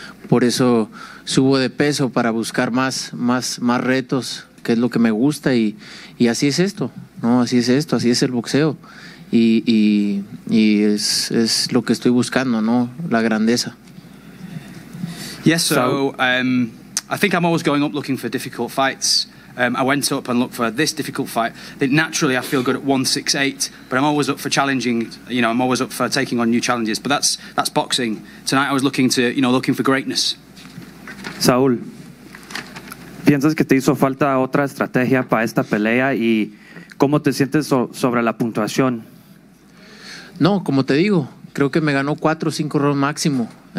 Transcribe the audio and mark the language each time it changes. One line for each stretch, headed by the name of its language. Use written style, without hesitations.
Spanish: Por eso subo de peso, para buscar más retos, que es lo que me gusta, y así es esto, ¿no? Así es esto, así es el boxeo, y es lo que estoy buscando, ¿no? La grandeza.
English: Yes, so I think I'm always going up looking for difficult fights. I went up and looked for this difficult fight. Naturally, I feel good at 168, but I'm always up for challenging. You know, I'm always up for taking on new challenges. But that's boxing. Tonight, I was looking to, you know, looking for greatness.
Spanish: Saúl, ¿piensas que te hizo falta otra estrategia para esta pelea y cómo te sientes sobre la puntuación? No, como te digo, creo que me ganó 4 o 5 rounds máximo.